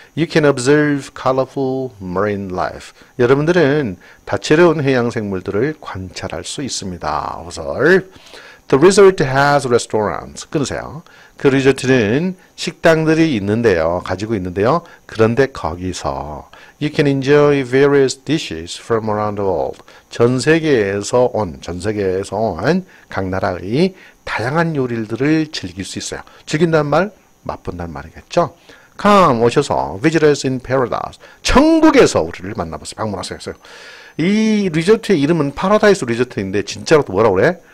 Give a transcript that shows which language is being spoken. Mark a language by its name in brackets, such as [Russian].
[English] You can observe colorful marine life. [Korean] 여러분들은 다채로운 해양 생물들을 관찰할 수 있습니다. [English] Observe. The resort has restaurants. [Korean] 끊으세요. 그 리조트는 식당들이 있는데요. 가지고 있는데요. 그런데 거기서. [English] You can enjoy various dishes from around the world. [Korean] 전 세계에서 온각 나라의 다양한 요리들을 즐길 수 있어요. 즐긴다는 말, 맛본다는 말이겠죠? [English] Come, [Korean] 오셔서, [English] visit us in paradise. [Korean] 천국에서 우리를 만나보세요. 방문하세요. 이 리조트의 이름은 파라다이스 리조트인데, 진짜로 뭐라고 그래?